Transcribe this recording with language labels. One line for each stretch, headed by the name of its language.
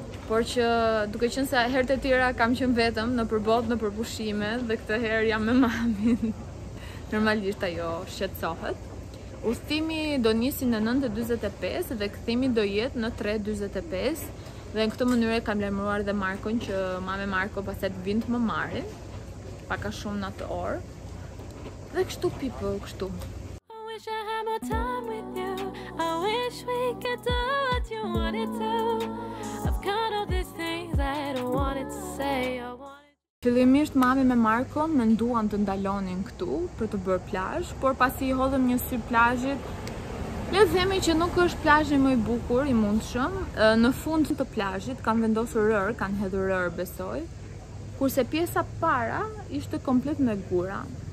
Albanian: por që duke qenë se herët e tjera kam qenë vetëm në përbot, në përpushime dhe këtë herë jam me mamin. Normalisht ajo shqetësohet. Udhëtimi do nisi në 9:45 dhe kthimi do jetë në 3:45. Dhe në këtë mënyrë kam lajmëruar dhe Markon që mamë Marko pastaj vinte më marrin. Pak a shumë në atë orë. Dhe kështu pipë, kështu.
English: I wish I had more time with you. I wish we could do what you wanted to. I've got all these things I don't wanted to say.
Albanian: Fillimisht mami me Marko menduan të ndalonin këtu për të bërë plazh, por pasi I hodhëm një sy plazhit, le të themi që nuk është plazhi më I bukur I mundshëm. Në fund të plazhit kanë vendosur rër, kanë hedhur rër besoj. Kurse pjesa para ishte komplet me gura.